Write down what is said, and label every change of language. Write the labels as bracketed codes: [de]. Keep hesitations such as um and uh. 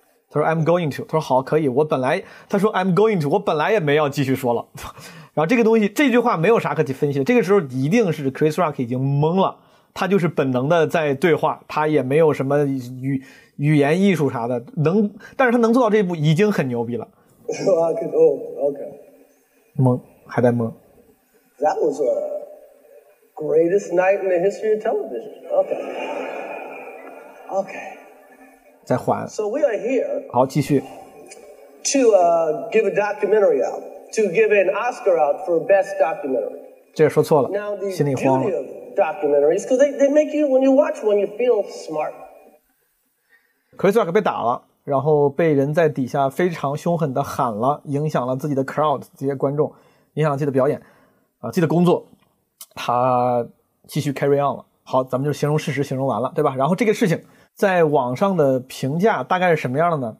[zh] 他说 [en] I'm going to， [zh] 他说好可以。我本来他说 I'm going to，我本来也没要继续说了。然后这个东西这句话没有啥可去分析的。这个时候一定是 Chris Rock 已经懵了。他就是本能的在对话，他也没有什么语语言艺术啥的能，但是他能做到这一步已经很牛逼了。我靠，OK，懵，还在懵。 [en] That was a greatest night in the history of television. [zh] OK, OK. 再缓。 [en] So we are here. [zh] 好，继续。 [en] To uh, give a documentary out, to give an Oscar out for best documentary. [zh] 这说错了，心里慌了。 [en] documentaries，because they they make you when you watch one you feel smart。 [zh] Chris Rock 被打了，然后被人在底下非常凶狠的喊了，影响了自己的 crowd 这些观众，影响了自己的表演，啊，自己的工作。他继续 [en] carry on [zh] 了。好，咱们就形容事实，形容完了，对吧？然后这个事情在网上的评价大概是什么样的呢？